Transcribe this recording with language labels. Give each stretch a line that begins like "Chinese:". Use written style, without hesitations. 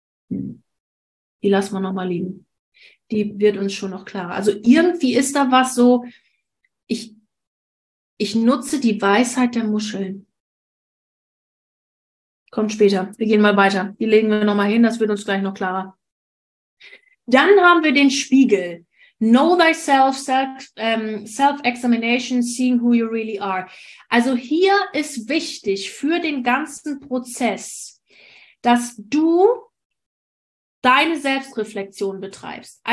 German: Die lassen wir nochmal liegen. Die wird uns schon noch klarer. Also irgendwie ist da was so. Ich nutze die Weisheit der Muscheln. Kommt später. Wir gehen mal weiter. Die legen wir nochmal hin. Das wird uns gleich noch klarer. Dann haben wir den Spiegel.
English: Know thyself, self-examination, seeing who you really are.
German: Also hier ist wichtig für den ganzen Prozess, dass du deine Selbstreflexion betreibst.